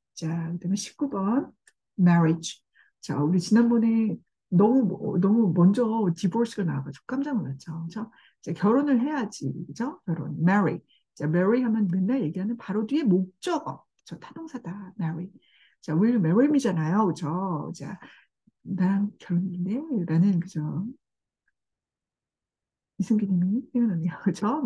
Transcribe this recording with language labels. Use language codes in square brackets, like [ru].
[ko] 자, 그다음에 19번, marriage. 자, 우리 지난번에 너무 먼저 divorce가 나와가지고 깜짝 놀랐죠. 그렇죠? 자, 결혼을 해야지, 그죠? 결혼, marry. 자, marry 하면 맨날 얘기하는 바로 뒤에 목적어, 저 타동사다, marry. 자, [en] will you marry me [ko] 잖아요, 그죠? 자, 난 결혼인데, 나는 그죠? 이승기님이 생각나네요, 그죠?